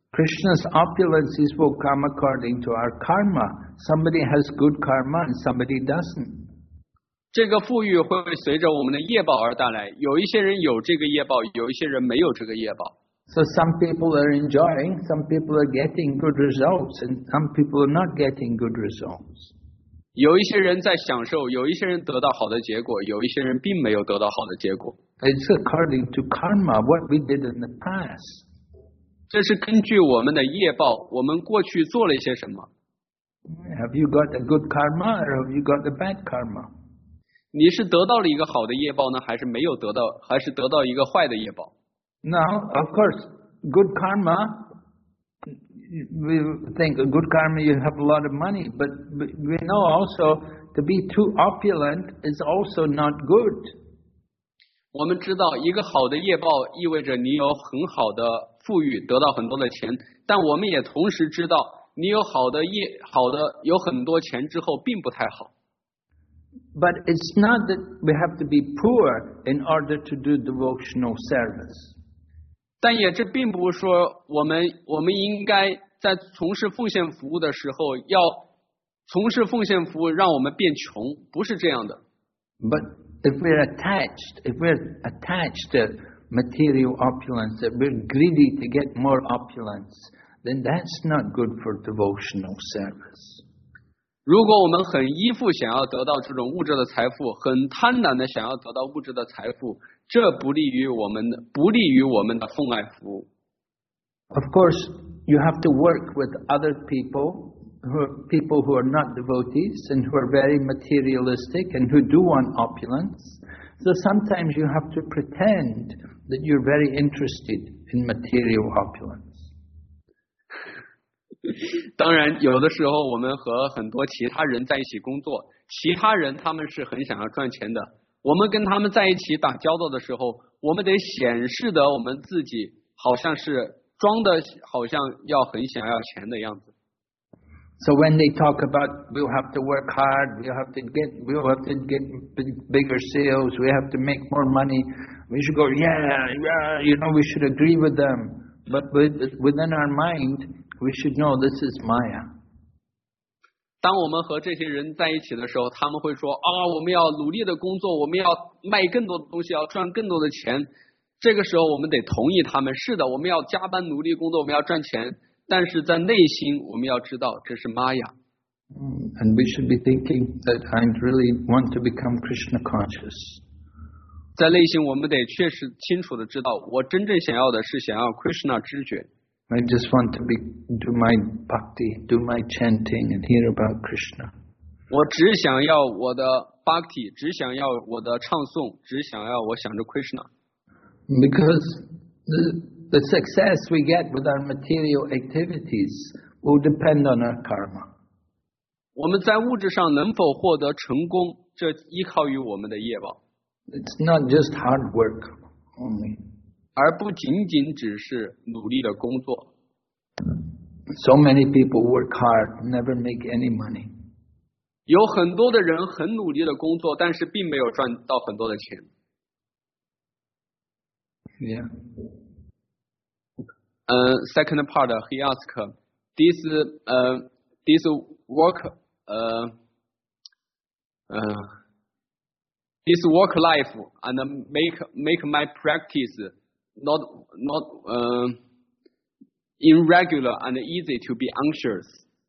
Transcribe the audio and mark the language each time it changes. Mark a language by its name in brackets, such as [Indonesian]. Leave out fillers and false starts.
[English] Krishna's opulences will come according to our karma. Somebody has good karma and somebody doesn't. [Chinese] 这个富裕会随着我们的业报而带来，有一些人有这个业报，有一些人没有这个业报。 [English] So some people are enjoying, some people are getting good results, and some people are not getting good results. [Chinese] 有一些人在享受，有一些人得到好的结果，有一些人并没有得到好的结果。 [English] It's according to karma, what we did in the past. [Chinese] 这是根据我们的业报，我们过去做了一些什么。 [English] Have you got a good karma or have you got a bad karma? [Chinese] 你是得到了一个好的业报呢，还是没有得到，还是得到一个坏的业报？ [English] Now, of course, good karma... We think a good karma, you have a lot of money, but we know also to be too opulent is also not good. [Chinese] 我们知道一个好的业报意味着你有很好的富裕，得到很多的钱，但我们也同时知道你有有很多钱之后并不太好。 [English] But it's not that we have to be poor in order to do devotional service. [Chinese] 但也这并不是说我们应该在从事奉献服务的时候要从事奉献服务让我们变穷，不是这样的。 [English] But if we're attached to material opulence, if we're greedy to get more opulence, then that's not good for devotional service. [Chinese] 如果我们很依附想要得到这种物质的财富，很贪婪的想要得到物质的财富。这不利于我们的奉爱服务。 [English] Of course, you have to work with other people who are not devotees and who are very materialistic and who do want opulence. So sometimes you have to pretend that you're very interested in material opulence. [Chinese] 当然，有的时候我们和很多其他人在一起工作，其他人他们是很想要赚钱的，我们跟他们在一起打交道的时候，我们得显示的我们自己好像是装的好像要很想要钱的样子。 [English] So when they talk about we'll have to work hard, we'll have to get bigger sales, we have to make more money, we should go yeah, we should agree with them. But within our mind, we should know this is Maya. [Chinese] 当我们和这些人在一起的时候，他们会说啊，我们要努力的工作，我们要卖更多的东西，要赚更多的钱。这个时候我们得同意他们，是的，我们要加班努力工作，我们要赚钱。但是在内心我们要知道这是玛雅。 [English] And we should be thinking that I really want to become Krishna conscious. [Chinese] 在内心我们得确实清楚地知道我真正想要的是想要 Krishna 知觉。 [English] I just want to be, do my bhakti, do my chanting and hear about Krishna. [Chinese] 我只想要我的 bhakti, 只想要我的唱诵，只想要我想着 Krishna. [English] Because the success we get with our material activities will depend on our karma. [Chinese] 我们在物质上能否获得成功，这依靠于我们的业报。 [English] It's not just hard work only. [Chinese] 而不仅仅只是努力的工作。 [English] So many people work hard, never make any money. [Chinese] 有很多的人很努力的工作，但是并没有赚到很多的钱。 [English] Yeah. Second part, he asked, this work life and make my practice not irregular and easy to be anxious.